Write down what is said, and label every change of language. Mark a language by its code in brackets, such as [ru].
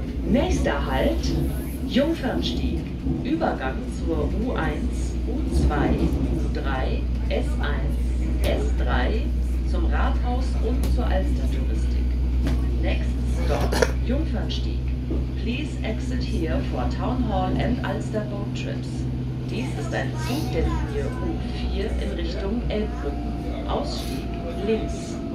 [de] Nächster Halt, Jungfernstieg. Übergang zur U1, U2, U3, S1, S3, zum Rathaus und zur Alstertouristik. [en] Next Stop, Jungfernstieg. Please exit here for Town Hall and Alster Boat Trips. [de] Dies ist ein Zug der Linie U4 in Richtung Elbbrücken. Ausstieg links.